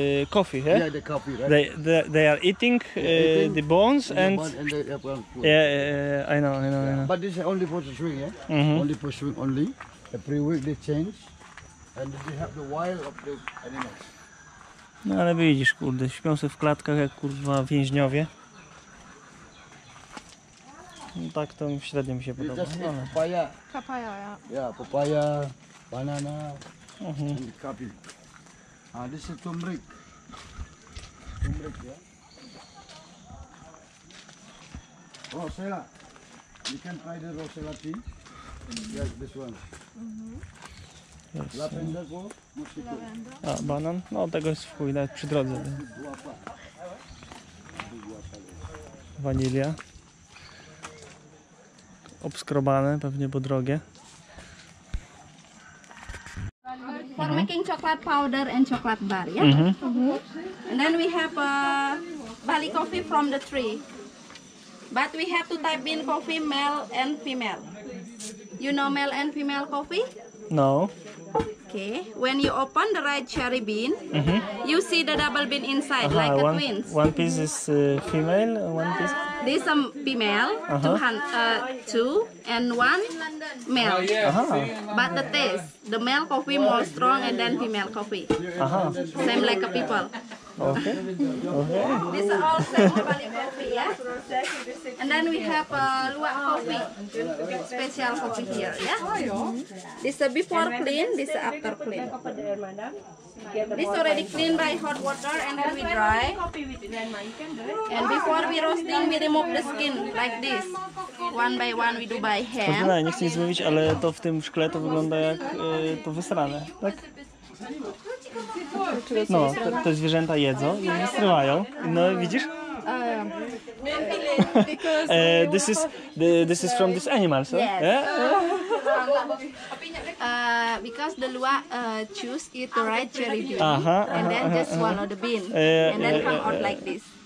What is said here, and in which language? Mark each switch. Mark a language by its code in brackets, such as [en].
[en] Coffee, yeah. Yeah, the coffee, right? They are eating, the bones and the apple. Yeah, I know. Yeah. I know. But this is only for the swing, yeah. Mm-hmm. Only for swing, only. Every week they change, and they have the wild of the animals. [pl] No, ale widzisz, kurde, śpią sobie w klatkach jak kurwa więźniowie. No, tak to średnio mi się podoba. [en] Just eat papaya. Papaya, yeah. Yeah, papaya, banana, and kapi. Ah, this is turmeric. Turmeric, yeah. Rosella. You can try the rosella tea. Mm-hmm. Yes, this one. Mm-hmm. [pl] Lavender, a banan? No tego jest w chuj, nawet przy drodze. Wanilia. Obskrobane, pewnie bo drogie. [en] For making chocolate powder and chocolate bar, yeah? Mm-hmm. And then we have Bali coffee from the tree. But we have to type in coffee male and female. You know male and female coffee? No. Okay, when you open the right cherry bean, mm-hmm. you see the double bean inside, uh-huh. like a one, twins. One piece is female, one piece? This is female, uh-huh. two, and one male. Uh-huh. But the taste, the male coffee more strong and then female coffee. Uh-huh. Same like a people. Okay. Okay. This is all same coffee, yeah? And then we have luwak coffee, special coffee here, yeah? Mm-hmm. This is before clean, this is after clean. This already clean by hot water and then we dry. And before we roasting, we remove the skin like this. One by one we do by hand. [pl] Nie wiem, nie chcę nic mówić, ale to w tym szkle to wygląda jak to wysrane, tak? No, te zwierzęta jedzą i nie strywają. No, widzisz? [en] this is from this animal, so? Yes. Yeah? because the luwak choose eat the right cherry bean, uh-huh, uh-huh, and then just swallow the bean, and then come out like this.